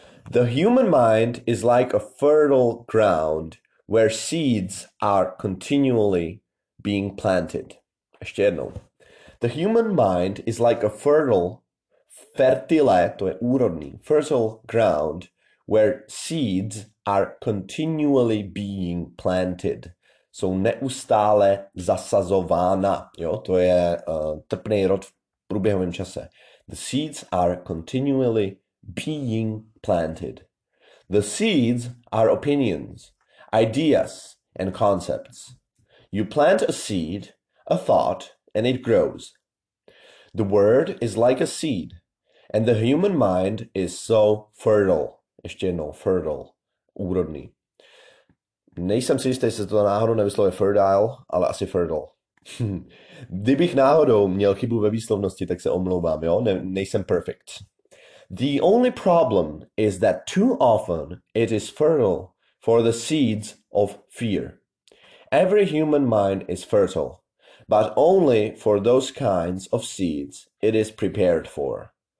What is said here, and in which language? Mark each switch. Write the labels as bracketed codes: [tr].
[en] The human mind is like a fertile ground where seeds are continually being planted. [cs] Ještě jednou. [en] The human mind is like a fertile, [cs] to je úrodný, [en] fertile ground where seeds are continually being planted. [cs] Jsou neustále zasazována. Jo? To je trpný rod v průběhovém čase. [en] The seeds are continually being planted. The seeds are opinions, ideas, and concepts. You plant a seed, a thought, and it grows. The word is like a seed, and the human mind is so fertile. [cs] Ještě jednou, [en] fertile, [cs] úrodný. Nejsem si jistý, jestli to náhodou nevyslovuje fertile, ale asi fertile. Kdybych náhodou měl chybu ve výslovnosti, tak se omlouvám, jo? Ne, nejsem [en] perfect. The only problem is that too often it is fertile for the seeds of fear. Every human mind is fertile, but only for those kinds of seeds it is prepared for.